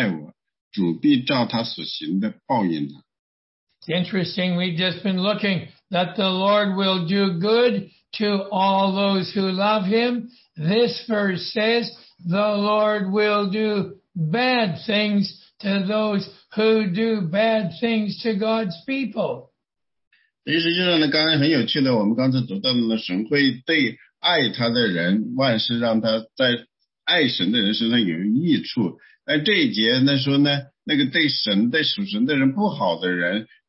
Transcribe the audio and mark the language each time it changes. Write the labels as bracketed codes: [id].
[zh] 所以第十四节说呢，铜匠亚历山大多多的害我，主必照他所行的报应他。 [en] It's interesting, we've just been looking that the Lord will do good to all those who love him. This verse says the Lord will do bad things to those who do bad things to God's people. [zh] 实际上呢，刚才很有趣的，我们刚才读到的神会对爱他的人，万事让他在爱神的人身上有益处。但这一节呢说呢，那个对神的属神的人不好的人。